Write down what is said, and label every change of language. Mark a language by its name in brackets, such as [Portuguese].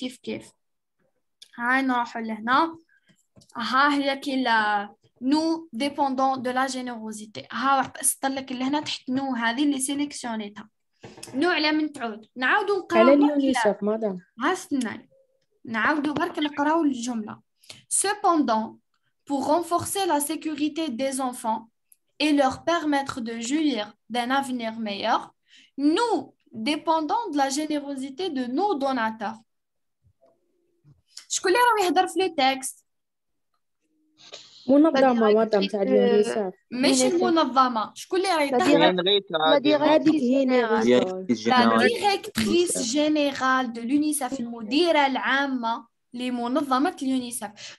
[Arabic] كيف كيف هاي نروحوا لهنا. ها هي كي لا نو ديبوندون دو لا جينيروزيتي، ها سطر لك لهنا تحت نو هذه اللي سيليكسيونيتها. نو على من تعود نعاودوا نقراو على اليونيسف مدام هاستناي نعاودوا برك نقراو الجمله. [French] Cependant, pour renforcer la sécurité des enfants et leur permettre de jouir d'un avenir meilleur, nous dépendons de la générosité de nos donateurs. [Arabic] شكون اللي راه يهضر في لي تيكست؟ منظمة مدام تاع اليونيسف. ماشي منظمة، شكون اللي راه يهضر؟ هذيك هي الديريكتريس جينيرال دو اليونيسف، المديرة العامة لمنظمة اليونيسف.